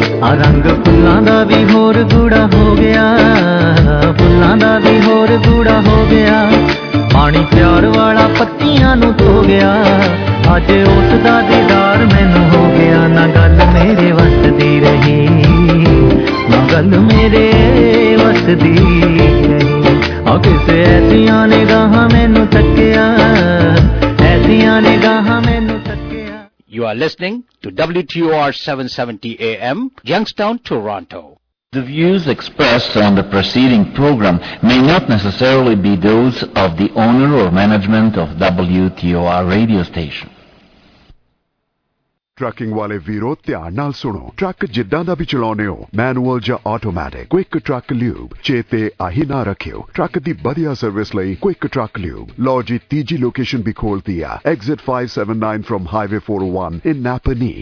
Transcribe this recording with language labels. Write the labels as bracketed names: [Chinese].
[Punjabi] ਆ ਰੰਗ ਫੁੱਲਾਂ ਦਾ ਵੀ ਹੋਰ ਗੂੜਾ ਹੋ ਗਿਆ ਫੁੱਲਾਂ ਦਾ ਵੀ ਹੋਰ ਗੂੜਾ ਹੋ ਗਿਆ ਪਾਣੀ ਪਿਆਰ ਵਾਲਾ ਪੱਤੀਆਂ ਨੂੰ ਧੋ ਗਿਆ ਅੱਜ ਉਸ ਦਾ ਦੀਦਾਰ ਮੈਨੂੰ ਹੋ ਗਿਆ ਨਾ ਗੱਲ ਮੇਰੇ ਵੱਸਦੀ ਰਹੀ ਨਾ ਗੱਲ ਮੇਰੇ ਵੱਸਦੀ ਰਹੀ ਆ ਕਿਸ ਐਸੀਆਂ ਨਿਗਾਹਾਂ ਮੈਨੂੰ ਤੱਕਿਆ ਐਸੀਆਂ ਨਿਗਾਹਾਂ ਮੈਨੂੰ ਤੱਕਿਆ [English] You are listening to WTUR 770 AM Youngstown Toronto The views expressed on the preceding program may not necessarily be those of the owner or management of WTOR radio station. [Punjabi] Trucking ਵਾਲੇ ਵੀਰੋ ਧਿਆਨ ਨਾਲ ਸੁਣੋ ਟਰੱਕ ਜਿੱਦਾਂ ਦਾ ਵੀ ਚਲਾਉਂਦੇ ਹੋ ਮੈਨੂਅਲ ਜਾਂ automatic quick truck lube ਚੇਤੇ ਆਹੀ ਨਾ ਰੱਖਿਓ ਟਰੱਕ ਦੀ ਵਧੀਆ ਸਰਵਿਸ ਲਈ ਕੁਇਕ ਟਰੱਕ ਲਿਊਬ ਲਓ ਜੀ ਤੀਜੀ ਲੋਕੇਸ਼ਨ ਵੀ ਖੋਲਤੀ ਆ ਐਗਜ਼ਿਟ 579 [English] from highway 401 in Napanee